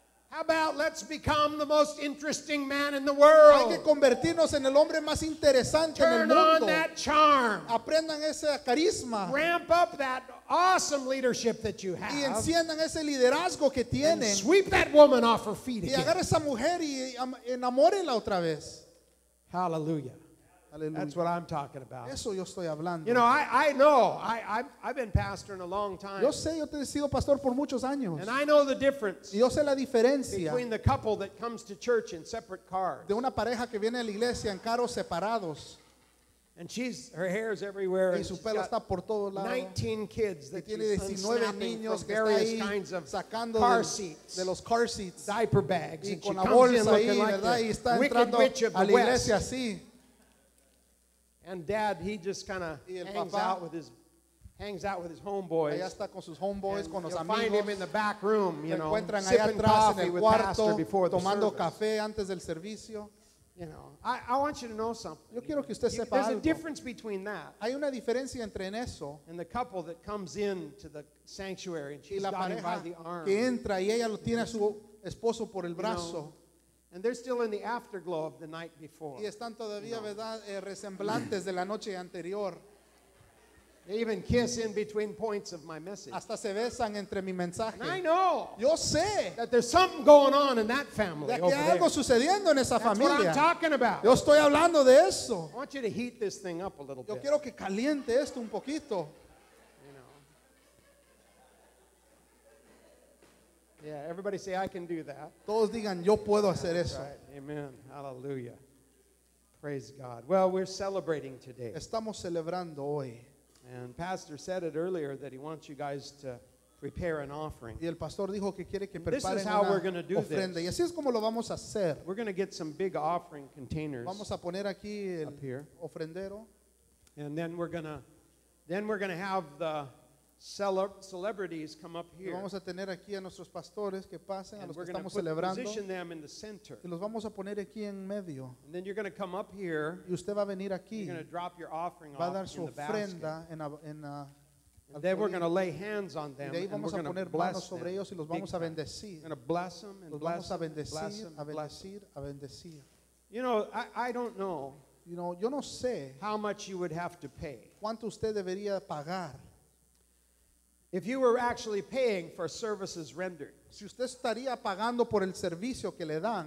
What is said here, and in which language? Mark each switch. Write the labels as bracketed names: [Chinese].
[English] How about let's become the most interesting man in the world? [Spanish] Hay que convertirnos en el hombre más interesante [English] Turn [Spanish] en el mundo. [English] Turn on that charm. [Spanish] Aprendan ese carisma. [English] Ramp up that awesome leadership that you have. [Spanish] Y enciendan ese liderazgo que tienen. [English] And sweep that woman off her feet again. [Spanish] Y agarre esa mujer y enamórela otra vez. [English] Hallelujah. Hallelujah. That's what I'm talking about. [Spanish] Eso yo estoy hablando. [English] You know, I know. I've been pastoring a long time. [Spanish] Yo sé, yo he sido pastor por muchos años. [English] And I know the difference. [Spanish] Yo sé la diferencia. [English] Between the couple that comes to church in separate cars. [Spanish] De una pareja que viene a la iglesia en carros separados. [English] And she's her hair is everywhere. [Spanish] Y su pelo está por todo lado. [English] 19 kids that [Spanish] tiene 19 niños que está [English] kinds of [Spanish] sacando [English] car seats, [Spanish] de los car seats, [English] diaper bags, [Spanish] y con la bolsa ahí, ¿verdad? Y está entrando a la iglesia así. [English] And dad, he just kind of hangs out with his homeboys. [Spanish] Allá está con sus homeboys, con los amigos. [English] Find him in the back room, you know. [Spanish] Encuentran allá atrás en el cuarto, tomando café antes del servicio. [English] You know, I want you to know something. [Spanish] Yo quiero que usted sepa algo. [English] There's a difference between that. [Spanish] Hay una diferencia entre en eso. [English] And the couple that comes in to the sanctuary and she's [Spanish] y la pareja [English] got him by the arm. [Spanish] Que entra y ella lo tiene a su esposo por el brazo. [English] You know, and they're still in the afterglow of the night before. [Spanish] Y están todavía, no. ¿Verdad? Resemblantes de la noche anterior. [English] They even kiss in between points of my message. [Spanish] Hasta se besan entre mi mensaje. [English] And I know. [Spanish] Yo sé. [English] That there's something going on in that family [Spanish] de [English] over there. [Spanish] Que hay algo sucediendo en esa [English] That's [Spanish] familia. [English] What I'm talking about. [Spanish] Yo estoy hablando de eso. [English] I want you to heat this thing up a little [Spanish] Yo [English] bit. [Spanish] Quiero que caliente esto un poquito. [English] Yeah, everybody say I can do that. [Spanish] Todos digan yo puedo hacer eso. [English] Amen. Hallelujah. Praise God. Well, we're celebrating today. [Spanish] Estamos celebrando hoy. [English] And Pastor said it earlier that he wants you guys to prepare an offering. [Spanish] Y el pastor dijo que quiere que preparen una ofrenda. [English] This is how we're going to do this. [Spanish] Y así es como lo vamos a hacer. [English] We're going to get some big offering containers. [Spanish] Vamos a poner aquí el ofrendero. [English] And then we're going to have the celebrities come up here. [Spanish] Vamos a tener aquí a nuestros pastores que pasen a los que estamos celebrando. [English] Position them in the center. [Spanish] Y los vamos a poner aquí en medio. [English] And then you're going to come up here. [Spanish] Y usted va a venir aquí. [English] You're going to drop your offering off in the [Spanish] basket. Va a dar su ofrenda en [English] And then we're going to lay hands on them. [Spanish] Y de ahí vamos [English] and [Spanish] a poner manos sobre ellos y los vamos a bendecir. [English] And bless them and [Spanish] los [English] bless [Spanish] vamos a bendecir, [English] bless them, [Spanish] a bendecir, a bendecir. [English] You know, I don't know. You know, [Spanish] yo no sé. [English] How much you would have to pay. [Spanish] ¿Cuánto usted debería pagar? [English] If you were actually paying for services rendered. [Spanish] Si usted estaría pagando por el servicio que le dan.